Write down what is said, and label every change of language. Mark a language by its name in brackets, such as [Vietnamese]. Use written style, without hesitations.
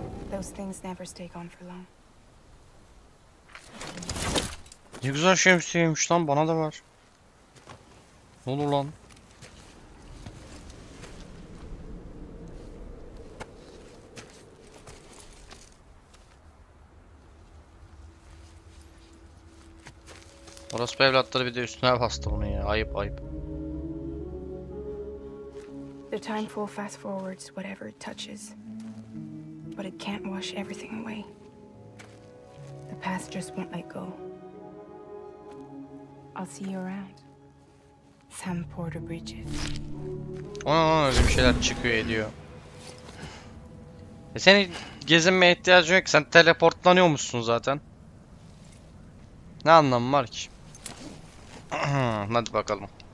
[English] Those things never stay gone for long. [Turkish] Ne güzel şemsiyeymiş lan bana da var. Ne olur lan. Orospu evlatları bir de üstüne bastı bunu ya. Ayıp ayıp. [English] The time fall fast forwards whatever it touches. But it can't wash everything away. The past just won't let go. I'll see you around. [Turkish] Sam Porter Bridges. Ona öyle bir şeyler çıkıyor ediyor. Seni gezinmeye ihtiyacın yok ki. Sen teleportlanıyor musun zaten? Ne anlamı var ki? Hadi bakalım.